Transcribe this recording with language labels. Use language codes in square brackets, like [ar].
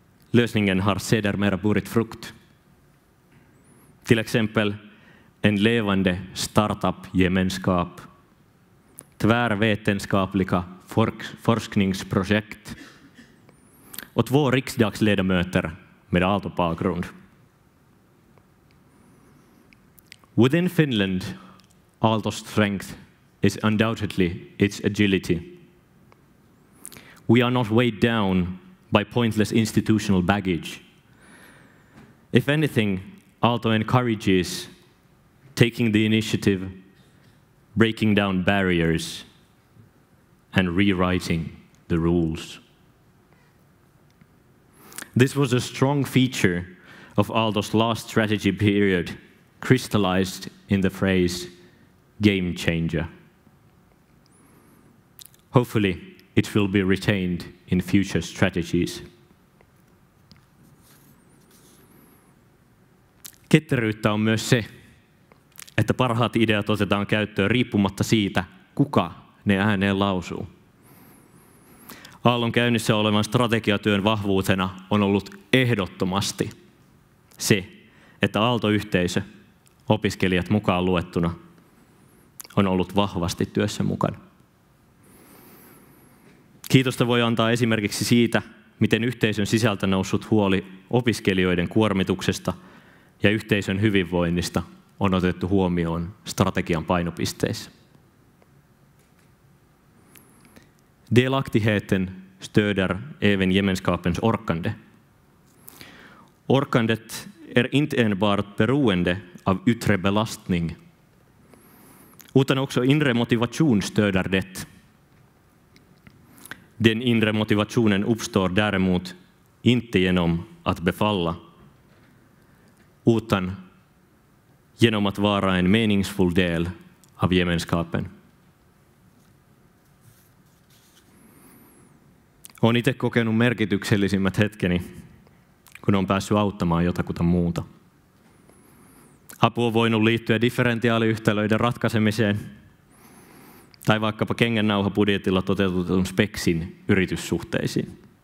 [sv] Lösningen har sedermera burit frukt. Till exempel en levande startup-gemenskap, tvärvetenskapliga forskningsprojekt och 2 riksdagsledamöter med Aalto-bakgrund. [en] Within Finland, Aalto's strength is undoubtedly its agility. We are not weighed down by pointless institutional baggage. If anything, Aalto encourages taking the initiative, breaking down barriers, and rewriting the rules. This was a strong feature of Aalto's last strategy period, crystallized in the phrase game changer. Hopefully, it will be retained in future strategies. [fi] Ketteryyttä on myös se, että parhaat ideat otetaan käyttöön riippumatta siitä, kuka ne ääneen lausuu. Aallon käynnissä olevan strategiatyön vahvuutena on ollut ehdottomasti se, että Aalto-yhteisö, opiskelijat mukaan luettuna, on ollut vahvasti työssä mukana. Kiitosta voi antaa esimerkiksi siitä, miten yhteisön sisältä noussut huoli opiskelijoiden kuormituksesta ja yhteisön hyvinvoinnista on otettu huomioon strategian painopisteissä. [sv] Delaktigheten stöder även gemenskapens orkande. Orkandet är inte enbart beroende av yttre belastning, utan också inre motivation stöder det. Den inre motivationen uppstår däremot inte genom att befalla, utan genom att vara en meningsfull del av gemenskapen. [fi] Olen itse kokenut merkityksellisimmät hetkeni, kun olen päässyt auttamaan jotakuta muuta. Apu on voinut liittyä differentiaaliyhtälöiden ratkaisemiseen tai vaikkapa kengännauhabudjetilla toteutetun speksin yrityssuhteisiin.